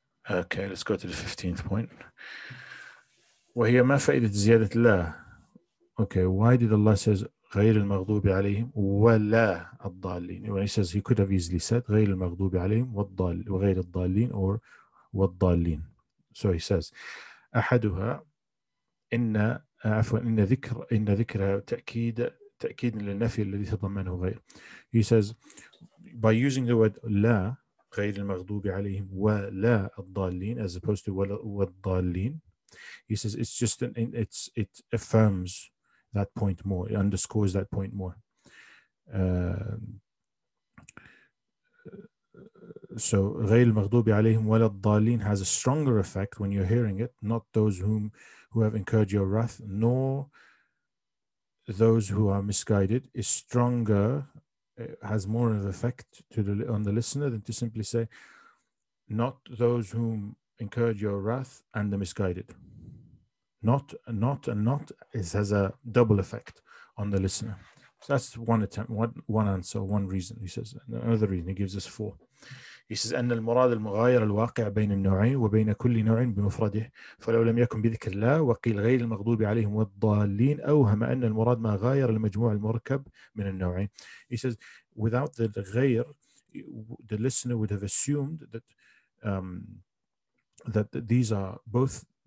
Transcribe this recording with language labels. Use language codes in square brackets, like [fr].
[en] Okay, let's go to the 15th point. [ar] وهي ما فائدة زيادة الله. [en] Okay, why did Allah says [ar] غير المغضوب عليهم ولا الضالين? [en] When he says, he could have easily said [ar] غير المغضوب عليهم والضال وغير الضالين [en] or والضالين. So he says [ar] أحدها إن عفوا إن ذكرها تأكيد للنفي الذي تضمنه غير. [en] He says by using the word [ar] لا غير المغضوب عليهم ولا الضالين [en] as opposed to والضالين. He says it's just it affirms that point more. It underscores that point more. So [ar] غير المغضوب عليهم ولا الضالين [en] has a stronger effect when you're hearing it, not those who have incurred your wrath, nor those who are misguided. Is stronger, has more of an effect on the listener than to simply say, not those whom incurred your wrath and the misguided. Not it has a double effect on the listener. So that's one attempt, one answer, one reason. He says another reason. He gives us four. He says [ar] أن المراد المغاير الواقع بين النوعين وبين كل نوع بمفرده. فلو لم يكن بذكر الله وقيل غير المغضوب عليهم والضالين أوهم أن المراد ما غاير المجموع المركب من النوعين. [en] He says without the غير, the listener would have assumed that these are both.